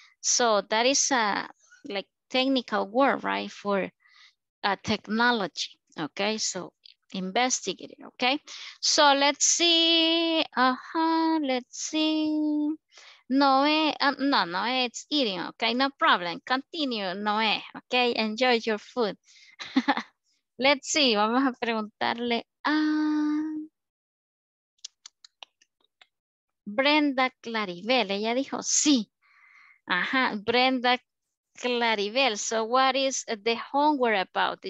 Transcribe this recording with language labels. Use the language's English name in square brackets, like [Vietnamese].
[English] So that is a like technical word, right, for a technology, okay? So investigate it, okay? So let's see, let's see. Noé, Noé, it's eating, okay, no problem, continue, Noé, okay, enjoy your food. Let's see, [Spanish] vamos a preguntarle a Brenda Claribel, ella dijo sí. [English] Ajá, Brenda Claribel, so what is the homework about?